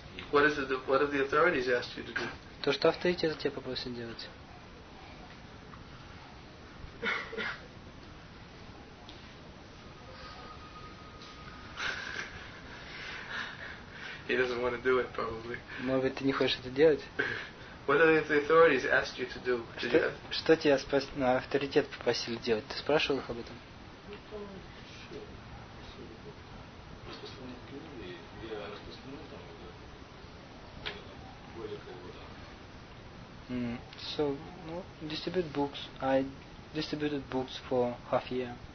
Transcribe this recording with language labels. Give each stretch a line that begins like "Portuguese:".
English: What have the authorities asked you to do?
Russian: То, что авторитеты тебя попросят делать.
English: He doesn't want to do it, probably.
Russian: Может, ты не хочешь это делать?
English: What have the authorities asked you to do?
Russian: Что тебя на авторитет попросили делать? Ты спрашивал их об этом?
English: So, well, distribute books. I distributed books for half year.